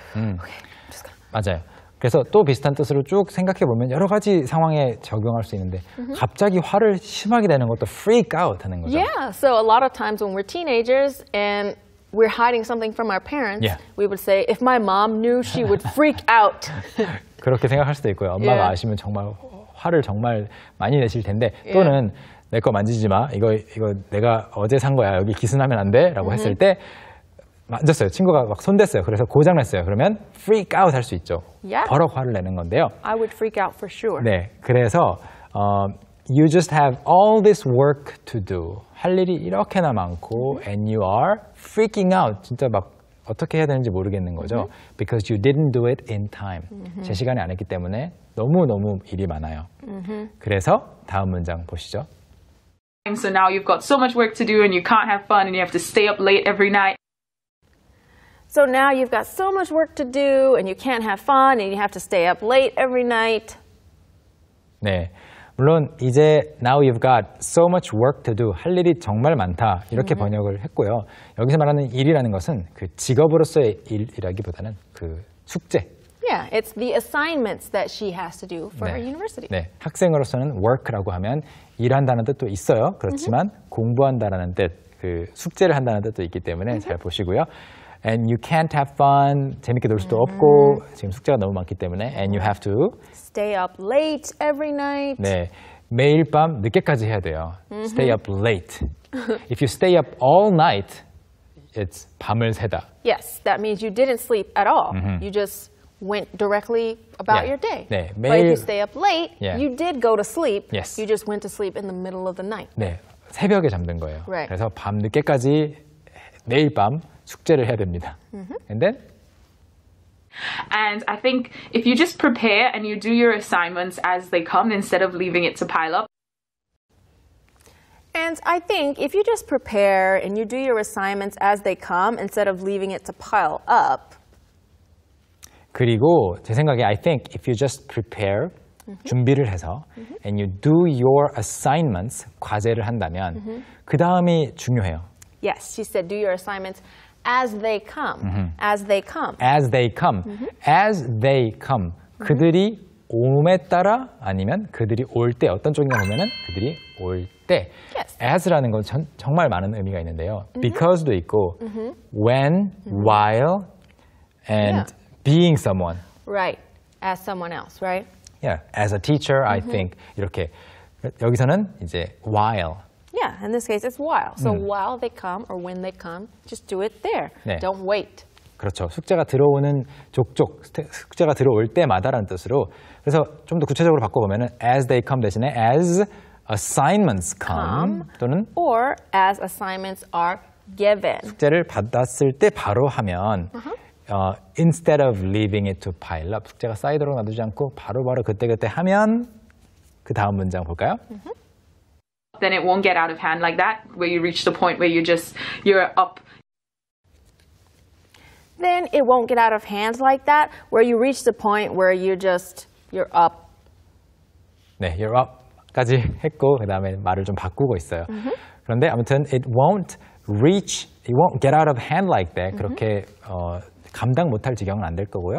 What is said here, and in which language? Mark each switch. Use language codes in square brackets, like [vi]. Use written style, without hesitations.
[en] Okay. [ko] 맞아요. 그래서 또 비슷한 뜻으로 쭉 생각해 보면 여러 가지 상황에 적용할 수 있는데 갑자기 화를 심하게 되는 것도 freak out 하는 거죠. [en] Yeah. So a lot of times when we're teenagers and we're hiding something from our parents, we would say if my mom knew she would freak out. [ko] 그렇게 생각할 수도 있고요. 엄마가 아시면 정말 화를 정말 많이 내실 텐데 또는 내 거 만지지 마. 이거 내가 어제 산 거야. 여기 기순하면 안 돼. 라고 했을 때 만졌어요. 친구가 막 손댔어요. 그래서 고장 났어요. 그러면 freak out 할 수 있죠. [en] Yeah. [ko] 버럭 화를 내는 건데요. [en] I would freak out for sure. [ko] 네. [en] 그래서 you just have all this work to do. [ko] 할 일이 이렇게나 많고 [en] and you are freaking out. [ko] 진짜 막 어떻게 해야 되는지 모르겠는 거죠. [en] Because you didn't do it in time. [ko] 제 시간에 안 했기 때문에 너무너무 일이 많아요. 그래서 다음 문장 보시죠. [en] So now you've got so much work to do and you can't have fun and you have to stay up late every night. So now you've got so much work to do and you can't have fun and you have to stay up late every night. [ko] 네. 물론 이제 [en] now you've got so much work to do, [ko] 할 일이 정말 많다 이렇게 번역을 했고요. 여기서 말하는 일이라는 것은 그 직업으로서의 일이라기보다는 그 숙제, [en] Yeah, it's the assignments that she has to do for 네. her university. [ko] 네, 학생으로서는 work라고 하면 일한다는 뜻도 있어요. 그렇지만 mm-hmm. 공부한다는 뜻, 그 숙제를 한다는 뜻도 있기 때문에 mm-hmm. 잘 보시고요. [en] And you can't have fun, [ko] 재밌게 놀 수도 [en] mm-hmm. [ko] 없고, 지금 숙제가 너무 많기 때문에 [en] And you have to stay up late every night. [ko] 네, 매일 밤 늦게까지 해야 돼요. [en] Mm-hmm. Stay up late. If you stay up all night, it's [ko] 밤을 새다. [en] Yes, that means you didn't sleep at all. Mm-hmm. You just went directly about yeah. your day. [ko] 네, [en] 매일... But if you stay up late, yeah. you did go to sleep. Yes. You just went to sleep in the middle of the night. [ko] 네, 새벽에 잠든 거예요. [en] Right. [ko] 그래서 밤 늦게까지 매일 밤 숙제를 해야 됩니다. [en] Mm-hmm. And then? And I think if you just prepare and you do your assignments as they come instead of leaving it to pile up, And I think if you just prepare and you do your assignments as they come instead of leaving it to pile up. [ko] 그리고 제 생각에 [en] I think if you just prepare, mm-hmm. [ko] 준비를 해서 [en] mm-hmm. and you do your assignments, [ko] 과제를 한다면 [en] mm-hmm. [ko] 그 다음이 중요해요. [en] Yes, she said do your assignments as they come. Mm-hmm. As they come. As they come. Mm-hmm. As they come. Mm-hmm. [ko] 그들이 옴에 따라 아니면 그들이 올 때 어떤 종류가 오면은 그들이 올 때 [en] yes. [ko] as라는 건 정말 많은 의미가 있는데요. [en] Mm-hmm. because도 있고 mm-hmm. when, mm-hmm. while and yeah. being someone. Right. as someone else, right? Yeah. as a teacher, mm-hmm. I think 이렇게 여기서는 이제 while. Yeah, in this case it's while. So while they come or when they come, just do it there. [ko] 네. [en] Don't wait. [ko] 그렇죠. 숙제가 들어오는 족족, 숙제가 들어올 때마다라는 뜻으로. 그래서 좀 더 구체적으로 바꿔보면 as they come 대신에 [en] as assignments come [ko] 또는 [en] or as assignments are given. [ko] 숙제를 받았을 때 바로 하면 uh-huh. [en] Instead of leaving it to pile up, [ko] 숙제가 쌓이도록 놔두지 않고 바로바로 그때그때 하면 그 다음 문장 볼까요? [en] Uh-huh. Then it won't get out of hand like that where you reach the point where you're up. Then it won't get out of hand like that, where you reach the point where you're up. [ko] 네, you're up까지 했고, 그 다음에 말을 좀 바꾸고 있어요. Mm-hmm. 그런데 아무튼, [en] it won't get out of hand like that. Mm-hmm. [ko] 그렇게 감당 못할 지경은 안 될 거고요.